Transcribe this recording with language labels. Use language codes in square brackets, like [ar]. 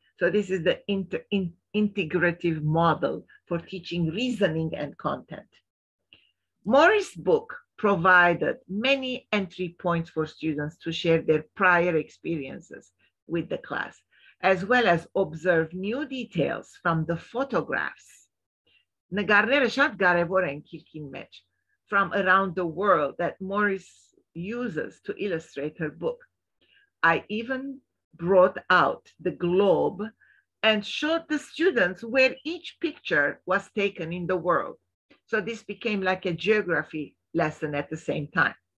[en] So this is the integrative model for teaching reasoning and content. Morris' book provided many entry points for students to share their prior experiences with the class, as well as observe new details from the photographs. [hy] Նկարները շատ կարևոր են քիրքին մեջ, [en] from around the world that Morris uses to illustrate her book. I even brought out the globe and showed the students where each picture was taken in the world. So this became like a geography lesson at the same time.